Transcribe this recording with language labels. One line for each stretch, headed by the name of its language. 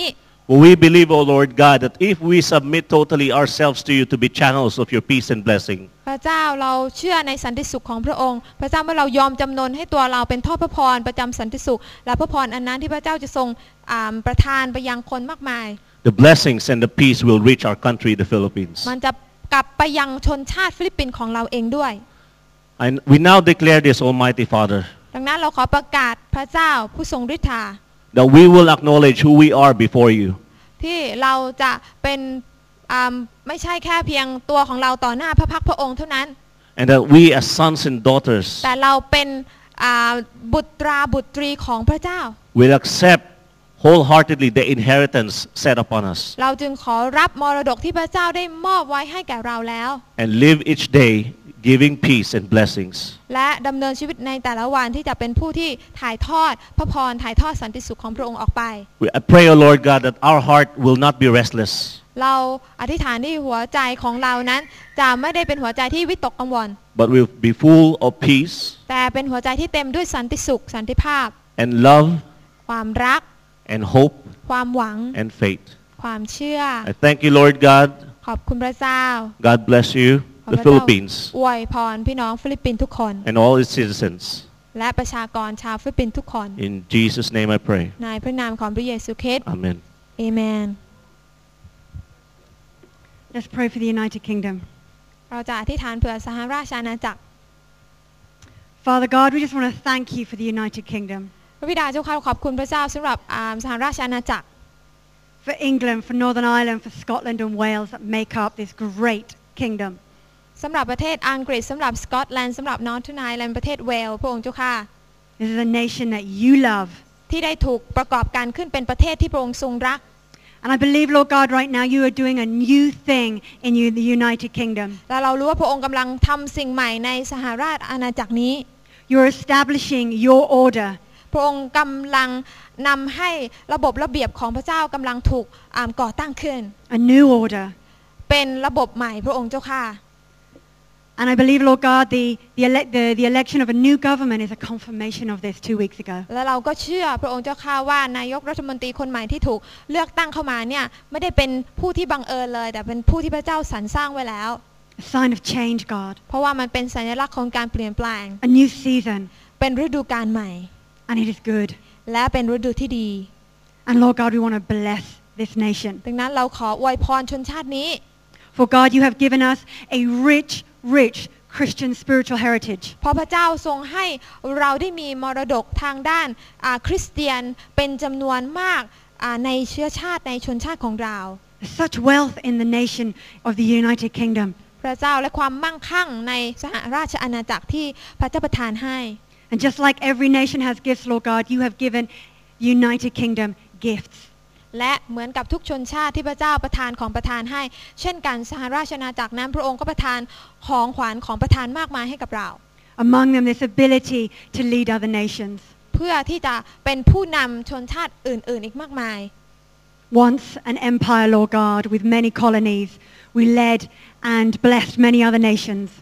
English: Well, we believe, O Lord God, that if we submit totally ourselves to you to be channels of your peace and blessing, the blessings and the peace will reach our country, the Philippines. And we now declare this, Almighty Father, that we will acknowledge who we are before you.
Thai: ที่เราจะเป็นไม่ใช่แค่เพียงตัวของเราต่อหน้าพระพักตร์พระองค์เท่านั้น
English: And that we as sons and daughters
Thai: แต่เราเป็นบุตราบุตรีของพระเจ้า
English: We'll accept wholeheartedly the inheritance set upon us
Thai: เราจึงขอรับมรดกที่พระเจ้าได้มอบไว้ให้แก่เราแล้ว
English: And live each day giving peace and blessings
Thai: และดำเนินชีวิตในแต่ละวันที่จะเป็นผู้ที่ถ่ายทอดพระพรถ่ายทอดสันติสุขของพระองค์ออกไป
English: We pray O Lord God that our heart will not be restless
Thai: เราอธิษฐานที่หัวใจของเรานั้นจะไม่ได้เป็นหัวใจที่วิตกกังวล
English: But we'll be full of peace
Thai: แต่เป็นหัวใจที่เต็มด้วยสันติสุขสันติภาพ
English: And love
Thai: ความรัก
English: And hope
Thai: ความหวัง
English: And faith
Thai: ความเชื่อ
English: I thank you Lord God
Thai: ขอบคุณพระเจ้า
English: God bless youThe Philippines.
Thai: อวยพรพี่น้องฟิลิปปินส์ทุกคน
English: And all its citizens.
Thai: และประชากรชาวฟิลิปปินส์ทุกคน
English: In Jesus' name I pray.
Thai: ในพระนามของพระเยซูคริสต์
English: Amen. Amen. Let's pray for the United Kingdom.
Thai: เราจะอธิษฐานเพื่อสหราชอาณาจักร
English: Father God, we just want to thank you for the United Kingdom.
Thai: พระบิดาเจ้าข้าขอบคุณพระเจ้าสำหรับสหราชอาณาจักร
English: For England, for Northern Ireland, for Scotland and Wales that make up this great kingdom.
Thai: สำหรับประเทศอังกฤษสำหรับสกอตแลนด์สำหรับนอร์ทเทิร์นไอแลนด์ประเทศเวลส์พระองค์เจ้าค่ะ
English: This is a nation that you love
Thai: ที่ได้ถูกประกอบการขึ้นเป็นประเทศที่พระองค์ทรงรัก
English: And I believe Lord God right now you are doing a new thing in the United Kingdom
Thai: แล้วเรารู้ว่าพระองค์กำลังทำสิ่งใหม่ในสหราชอาณาจักรนี้
English: You are establishing your order
Thai: พระองค์กำลังนำให้ระบบระเบียบของพระเจ้ากำลังถูกก่อตั้งขึ้น
English: A new order
Thai: เป็นระบบใหม่พระองค์เจ้าค่ะ
English: And I believe, Lord God, the election of a new government is a confirmation of this 2 weeks ago.
Thai: แล้วเราก็เชื่อพระองค์เจ้าค่ะว่านายกรัฐมนตรีคนใหม่ที่ถูกเลือกตั้งเข้ามาเนี่ยไม่ได้เป็นผู้ที่บังเอิญเลยแต่เป็นผู้ที่พระเจ้าสรรสร้างไว้แล้ว
English: A sign of change, God.
Thai: เพราะว่ามันเป็นสัญลักษณ์ของการเปลี่ยนแปลง
English: A new season.
Thai: เป็นฤดูกาลใหม่
English: And it is good.
Thai: และเป็นฤดูที่ดี
English: And Lord God, we want to bless this nation.
Thai: ดังนั้นเราขออวยพรชนชาตินี้
English: For God, you have given us a rich Christian spiritual heritage.
Thai: พระเจ้าทรงให้เราได้มีมรดกทางด้านคริสเตียนเป็นจำนวนมากในเชื้อชาติในชนชาติของเรา
English: Such wealth in the nation of the United Kingdom.
Thai: พระเจ้าและความมั่งคั่งในสหราชอาณาจักรที่พระเจ้าประทานให้
English: And just like every nation has gifts, Lord God, you have given United Kingdom gifts.
Thai: และเหมือนกับทุกชนชาติที่พระเจ้าประทานของประทานให้เช่นกันสหราชอาณาจักรนั้นพระองค์ก็ประทานของขวัญของประทานมากมายให้กับเรา
English: Among them this ability to lead other nations
Thai: เพื่อที่จะเป็นผู้นำชนชาติอื่นๆอีกมากมาย
English: Once an empire Lord God with many colonies we led and blessed many other nations